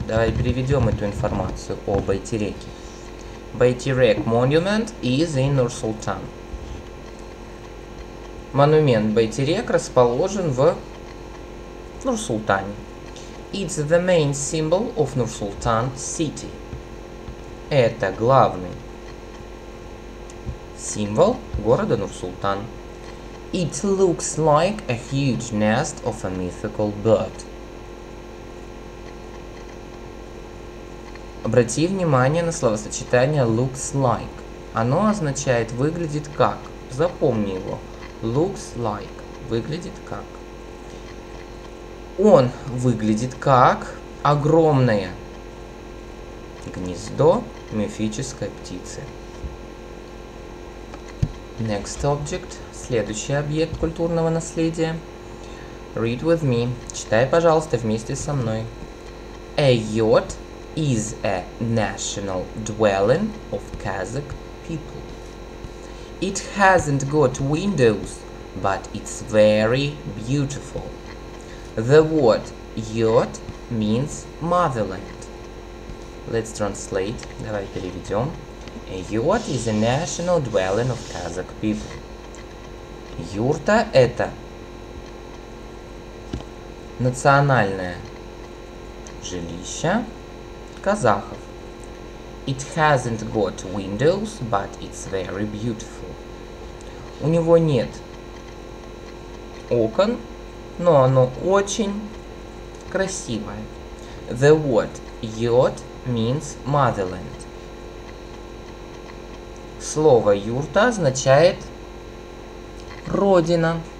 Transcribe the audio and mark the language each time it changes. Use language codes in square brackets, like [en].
[ru] Давай переведем эту информацию о Байтиреке. [en] Baytirek Monument is in Nur-Sultan. [ru] Монумент Байтирек расположен в Нур-Султане. [en] It's the main symbol of Nur-Sultan city. [ru] Это главный символ города Нур-Султан. [en] It looks like a huge nest of a mythical bird. [ru] Обрати внимание на словосочетание [en] looks like. [ru] Оно означает выглядит как. Запомни его. [en] Looks like. [ru] Выглядит как. Он выглядит как огромное гнездо мифической птицы. [en] Next object. [ru] Следующий объект культурного наследия. [en] Read with me. [ru] Читай, пожалуйста, вместе со мной. [en] A yurt is a national dwelling of Kazakh people. It hasn't got windows, but it's very beautiful. The word yurt means motherland. Let's translate. [ru] Давай переведем. [en] A yurt is a national dwelling of Kazakh people. [ru] Юрта – это национальное жилище казахов. [en] It hasn't got windows, but it's very beautiful. [ru] У него нет окон, но оно очень красивое. [en] The word yurt means motherland. [ru] Слово юрта означает родина.